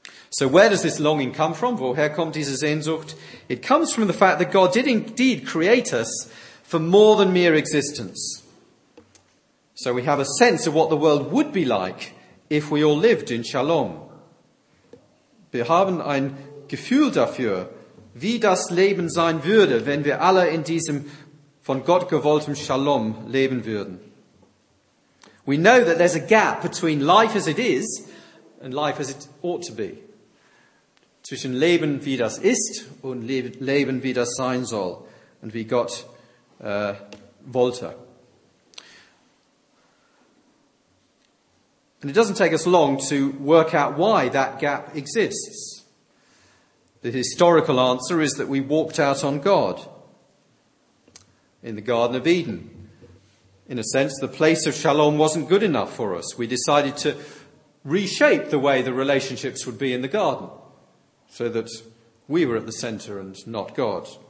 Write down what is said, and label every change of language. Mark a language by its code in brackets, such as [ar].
[en] So where does this longing come from? [de] Woher kommt diese Sehnsucht? [en] It comes from the fact that God did indeed create us for more than mere existence. So we have a sense of what the world would be like if we all lived in Shalom. [de] Wir haben ein Gefühl dafür, wie das Leben sein würde, wenn wir alle in diesem von Gott gewolltem Shalom leben würden. [en] We know that there's a gap between life as it is and life as it ought to be. [de] Zwischen Leben, wie das ist, und Leben, wie das sein soll, und wie Gott wollte. [en] And it doesn't take us long to work out why that gap exists. The historical answer is that we walked out on God in the Garden of Eden. In a sense, the place of Shalom wasn't good enough for us. We decided to reshape the way the relationships would be in the garden, so that we were at the center and not God.